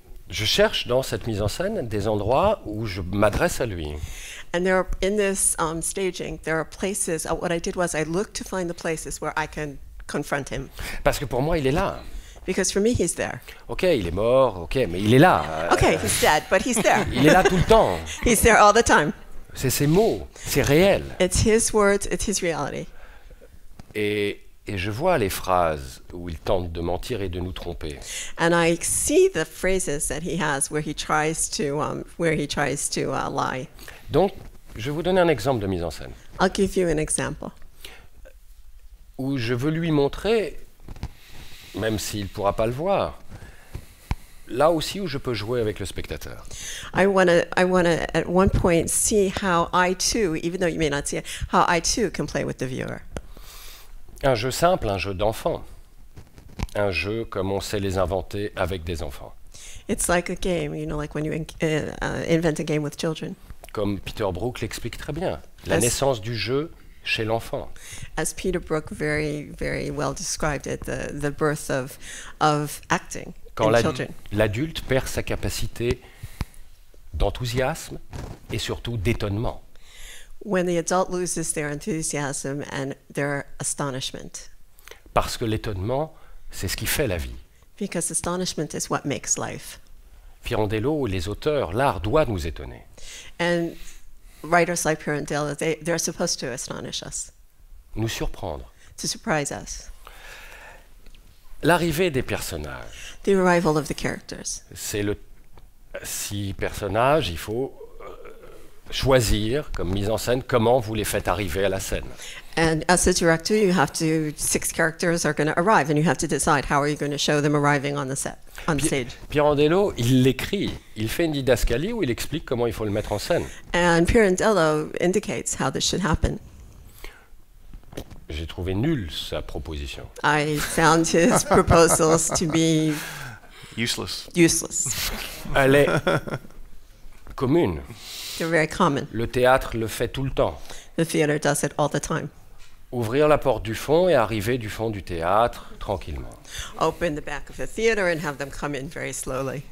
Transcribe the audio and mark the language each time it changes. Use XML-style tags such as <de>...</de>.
<fr>Je cherche dans cette mise en scène des endroits où je m'adresse à lui.</fr> <en>And there are, in this staging, there are places. What I did was I looked to find the places where I can confront him.</en> <fr>Parce que pour moi, il est là.</fr> <en>Because for me, he's there.</en> <fr>Ok, il est mort. Ok, mais il est là.</fr> <en>Ok, he's dead, but he's there.</en> <fr>Il est là tout le temps.</fr> <en>He's there all the time.</en> <fr>C'est ses mots. C'est réel.</fr> <en>It's his words. It's his reality.</en> <fr>Et je vois les phrases où il tente de mentir et de nous tromper.</fr> <en>And I see the phrases that he has where he tries to lie.</en> <fr>Donc, je vais vous donner un exemple de mise en scène.</fr> <en>I'll give you an example.</en> <fr>Où je veux lui montrer, même s'il ne pourra pas le voir, là aussi où je peux jouer avec le spectateur.</fr> <en>I wanna at one point see how I too, even though you may not see it, how I too can play with the viewer.</en> <fr>Un jeu simple, un jeu d'enfant. Un jeu comme on sait les inventer avec des enfants.</fr> <en>It's like a game, you know, like when you invent a game with children.</en> <fr>Comme Peter Brook l'explique très bien, la naissance du jeu chez l'enfant.</fr> <en>As Peter Brook very very well described it, the birth of acting</en> <fr>quand</fr> <en>in children.</en> <fr>L'adulte perd sa capacité d'enthousiasme et surtout d'étonnement.</fr> <en>When the adult loses their enthusiasm and their astonishment.</en> <fr>Parce que l'étonnement, c'est ce qui fait la vie.</fr> <en>Because astonishment is what makes life.</en> <fr>Pirandello, les auteurs, l'art doit nous étonner.</fr> <en>And writers like Pirandello, they're supposed to astonish us.</en> <fr>Nous surprendre.</fr> <en>To surprise us.</en> <fr>L'arrivée des personnages.</fr> <en>The arrival of the characters.</en> <fr>C'est le 6 personnages, il faut choisir comme mise en scène comment vous les faites arriver à la scène.</fr> <en>And as a director, you have to 6 characters are going to arrive and you have to decide how are you going to show them arriving on the set on stage.</en> <fr>Pirandello, il l'écrit, il fait une didascalie où il explique comment il faut le mettre en scène.</fr> <en>And Pirandello indicates how this should happen.</en> <fr>J'ai trouvé nul sa proposition.</fr> <en>I found his proposals to be useless.</en> <fr>Elle est commune.</fr> <en>They're very common.</en> <fr>Le théâtre le fait tout le temps.</fr> <en>The theater does it all the time.</en> <fr>Ouvrir la porte du fond et arriver du fond du théâtre tranquillement.</fr> <en>Open the back of the theater and have them come in very slowly.</en>